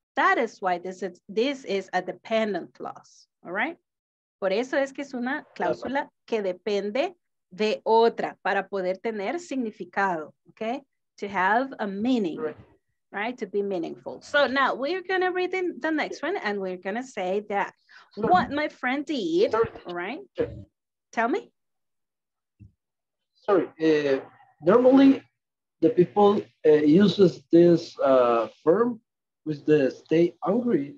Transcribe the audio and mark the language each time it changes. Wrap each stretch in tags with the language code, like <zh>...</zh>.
<en>That is why this is a dependent clause, all right?</en> <es>Por eso es que es una cláusula que depende de otra para poder tener significado, okay?</es> <en>To have a meaning, right? To be meaningful. So now we're gonna read in the next one and we're gonna say that what my friend did, all right? Tell me. Sorry. Normally, the people uses this verb with the stay hungry.</en>